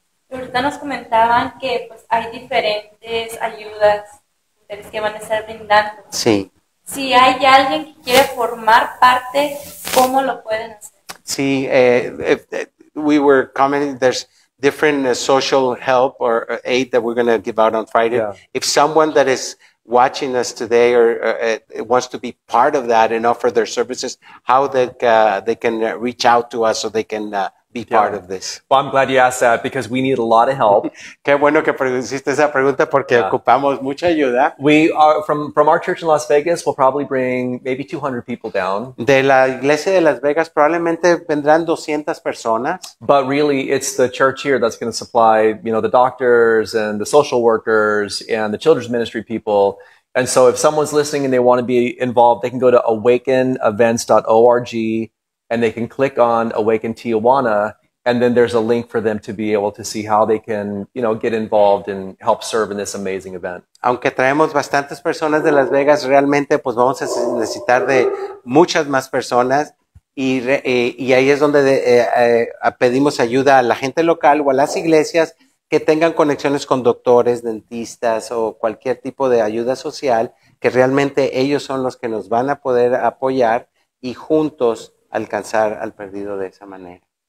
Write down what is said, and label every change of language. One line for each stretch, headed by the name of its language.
Spanish: Ahorita nos comentaban que pues, hay diferentes ayudas que van a estar brindando. Sí. Si hay alguien que quiere formar parte, ¿cómo lo pueden hacer?
English: Sí, we were commenting, there's different social help or aid that we're going to give out on Friday. Yeah. If someone that is watching us today or wants to be part of that and offer their services, how they can reach out to us so they can be part of this. Well, I'm glad you asked that because we need a lot of help.
Spanish: Qué bueno que hiciste esa pregunta porque ocupamos mucha ayuda.
English: We are from our church in Las Vegas, we'll probably bring maybe 200 people down.
Spanish: De la iglesia de Las Vegas probablemente vendrán 200 personas.
English: But really it's the church here that's going to supply, you know, the doctors and the social workers and the children's ministry people. And so if someone's listening and they want to be involved, they can go to awakenevents.org. And they can click on Awaken Tijuana, and then there's a link for them to be able to see how they can, you know, get involved and help serve in this amazing event.
Spanish: Aunque traemos bastantes personas de Las Vegas, realmente, pues vamos a necesitar de muchas más personas. Y ahí es donde pedimos ayuda a la gente local o a las iglesias que tengan conexiones con doctores, dentistas o cualquier tipo de ayuda social, que realmente ellos son los que nos van a poder apoyar y juntos alcanzar al perdido de esa manera.